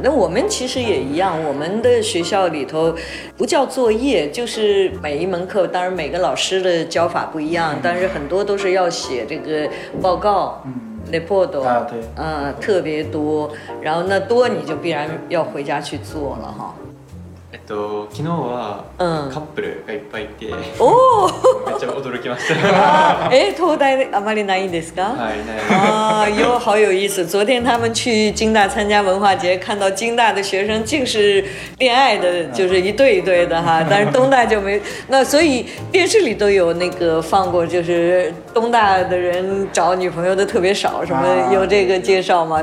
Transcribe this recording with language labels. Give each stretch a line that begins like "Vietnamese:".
Chinese: 那我们其实也一样，我们的学校里头不叫作业，就是每一门课，当然每个老师的教法不一样，但是很多都是要写这个报告。 report 特别多，然后那多你就必然要回家去做了哈。
Japanese: 昨日はカップルがいっぱいいて、めっちゃ驚きました。東大あまりないんですか？はい、ない。
Chinese: 有好有意思。昨天他们去京大参加文化节，看到京大的学生竟是恋爱的，就是一对一对的哈。但是东大就没，那所以电视里都有那个放过，就是东大的人找女朋友的特别少，什么有这个介绍吗？